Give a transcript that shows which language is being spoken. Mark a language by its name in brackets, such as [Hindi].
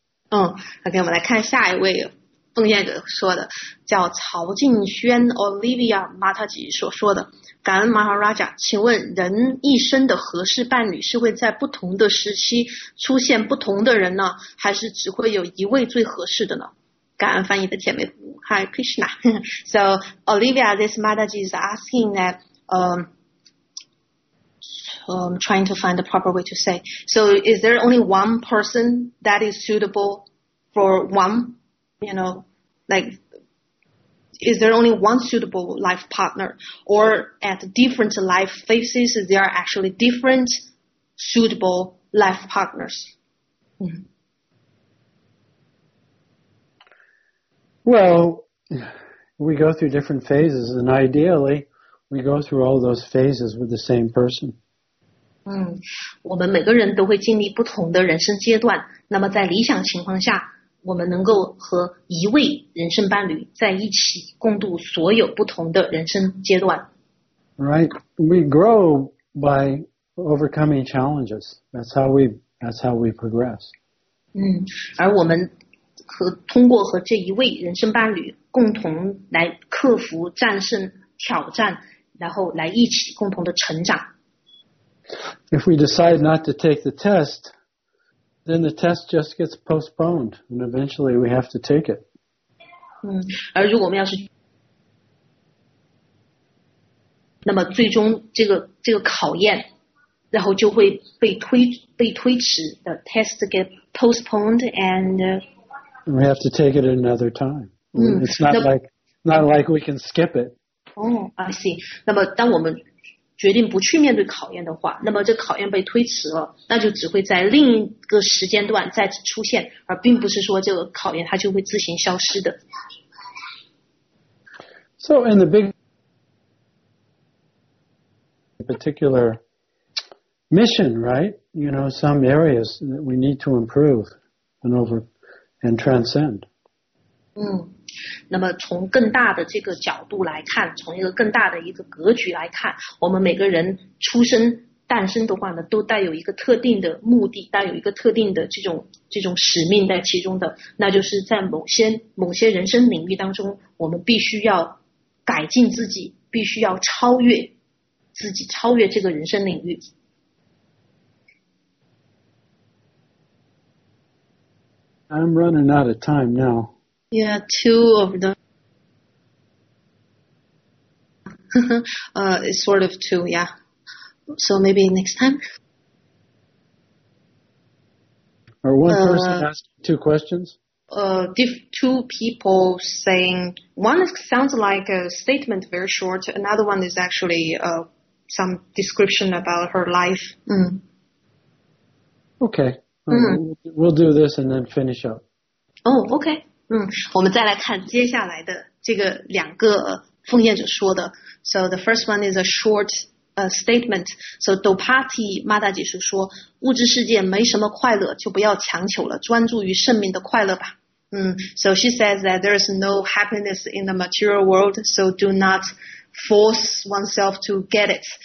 [Chinese] OK， 我们来看下一位奉献者说的，叫曹静轩 Olivia Mataji 所说的。感恩 Maharaja， 请问人一生的合适伴侣是会在不同的时期出现不同的人呢，还是只会有一位最合适的呢？感恩翻译的姐妹 Hi Krishna. [English] So Olivia, this Mataji is asking that trying to find the proper way to say. So is there only one person that is suitable for one, you know, like,is there only one suitable life partner, or at different life phases there are actually different suitable life partners? Well, we go through different phases, and ideally we go through all those phases with the same person. [Chinese] 我们每个人都会经历不同的人生阶段，那么在理想情况下我们能够和一位人生伴侣在一起共度所有不同的人生阶段。 [English] Right, we grow by overcoming challenges. That's how we progress. [Chinese] 而我们通过和这一位人生伴侣共同来克服、战胜挑战，然后来一起共同的成长。 [English] If we decide not to take the test,then the test just gets postponed, and eventually we have to take it. [Chinese] 而如果我们要是，那么最终这个考验，然后就会被推迟。 [English] The test get postponed, and we have to take it another time. It's not like we can skip it. I see. [Chinese] 那么当我们决定不去面对考验的话，那么这考验被推迟了，那就只会在另一个时间段再次出现，而并不是说这个考验它就会自行消失的。 [English] So in the big particular mission, right? You know, some areas that we need to improve and over and transcend. [Chinese] 那么从更大的这个角度来看，从一个更大的一个格局来看，我们每个人出生诞生的话呢，都带有一个特定的目的，带有一个特定的这种使命在其中的，那就是在某些人生领域当中，我们必须要改进自己，必须要超越自己，超越这个人生领域。 [English] I'm running out of time now. Yeah, two of them. it's sort of two, yeah. So maybe next time? Or one person asked two questions? Two people saying, one sounds like a statement, very short, another one is actually some description about her life. Okay, we'll do this and then finish up. Oh, okay. [Chinese] 我们再来看接下来的这个两个奉献者说的。 [English] So the first one is a short statement. [Chinese] So Dopati Mataji 说，物质世界没什么快乐，就不要强求了，专注于生命的快乐吧。 [English] So she says that there is no happiness in the material world, so do not force oneself to get it.